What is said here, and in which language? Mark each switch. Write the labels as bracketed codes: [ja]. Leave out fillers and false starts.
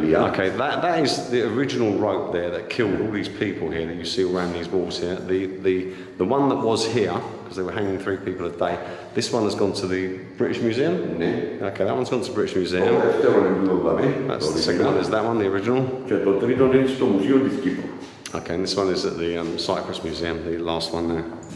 [en] Okay, that is the original rope there that killed all these people here that you see around these walls here. The one that was here, because they were hanging three people a day, this one has gone to the British Museum? [el] Ναι. [en] Okay, that one's gone to the British Museum. That's the second one, is that one, the original? [el] Και το τρίτο είναι στο Μουσείο της Κύπρου. [en] Okay, and this one is at the Cyprus Museum, the last one there.